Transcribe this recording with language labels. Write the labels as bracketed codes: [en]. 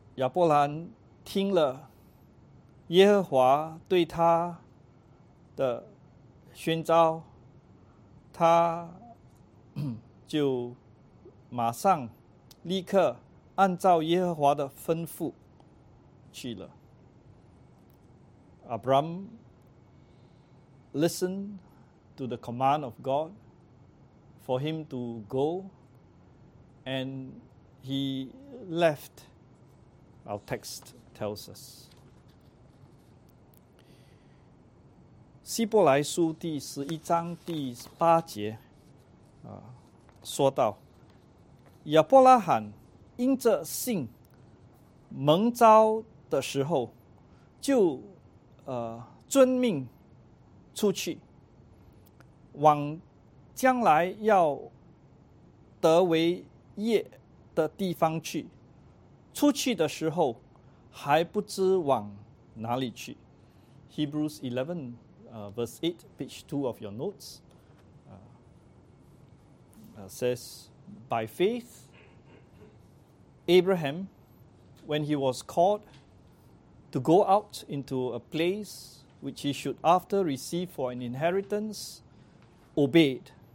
[zh] 亚伯兰听了耶和华对他的宣召，他就马上立刻按照耶和华的吩咐去了。 [en] Abram listened to the command of God for him to go, and he left. Our text tells us. [zh] 希伯来书第十一章第八节说到，亚伯拉罕因着信蒙召的时候，就遵命出去，往将来要得为业的地方去。出去的时候还不知往哪里去。 [en] Hebrews 11, verse 8, page 2 of your notes says, by faith, Abraham, when he was called to go out into a place which he should after receive for an inheritance, obeyed.